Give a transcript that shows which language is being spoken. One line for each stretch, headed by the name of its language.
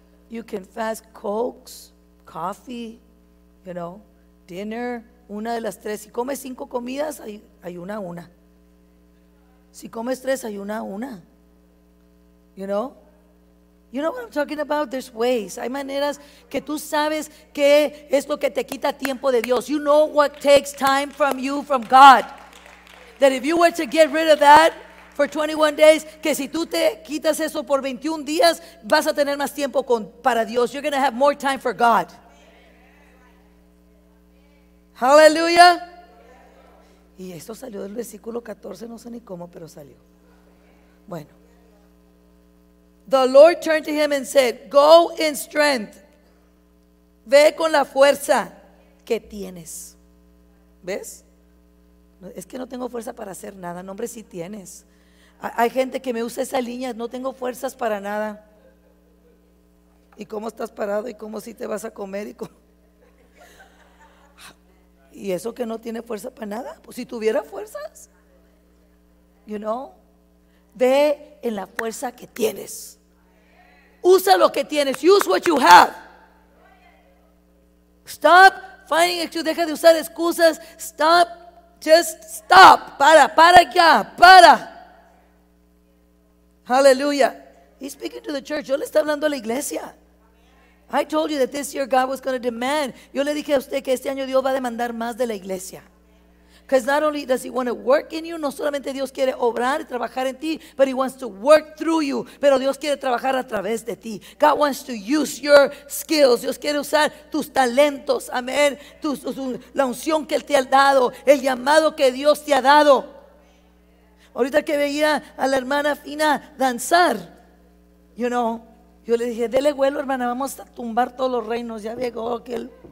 English: You can fast cokes, coffee, you know, dinner,
Spanish: una de las tres. Si comes cinco comidas, ayuna una. Si comes tres, ayuna una.
English: You know? You know what I'm talking about? There's ways.
Spanish: Hay maneras que tú sabes que es lo que te quita tiempo de Dios.
English: You know what takes time from you, from God. That if you were to get rid of that for 21 days,
Spanish: que si tú te quitas eso por 21 días, vas a tener más tiempo para Dios.
English: You're going to have more time for God. Hallelujah.
Spanish: Y esto salió del versículo 14, no sé ni cómo, pero salió. Bueno.
English: The Lord turned to him and said, go in strength.
Spanish: Ve con la fuerza que tienes. ¿Ves? Es que no tengo fuerza para hacer nada. No, hombre, sí tienes. Hay gente que me usa esa línea, no tengo fuerzas para nada. ¿Y cómo estás parado? ¿Y cómo si te vas a comer? ¿Y eso que no tiene fuerza para nada? Pues si tuviera fuerzas, you know, ve en la fuerza que tienes. Usa lo que tienes.
English: Use what you have. Stop finding excuses.
Spanish: Deja de usar excusas.
English: Stop. Just stop.
Spanish: Para ya. Para.
English: Hallelujah. He's speaking to the church.
Spanish: Yo le estoy hablando a la iglesia.
English: I told you that this year God was going to demand.
Spanish: Yo le dije a usted que este año Dios va a demandar más de la iglesia.
English: Because not only does he want to work in you,
Spanish: no solamente Dios quiere obrar y trabajar en ti,
English: but he wants to work through you.
Spanish: Pero Dios quiere trabajar a través de ti.
English: God wants to use your skills.
Spanish: Dios quiere usar tus talentos, amén. La unción que Él te ha dado, el llamado que Dios te ha dado. Ahorita que veía a la hermana Fina danzar, you know, yo le dije, dele vuelo, hermana, vamos a tumbar todos los reinos. Ya llegó aquel.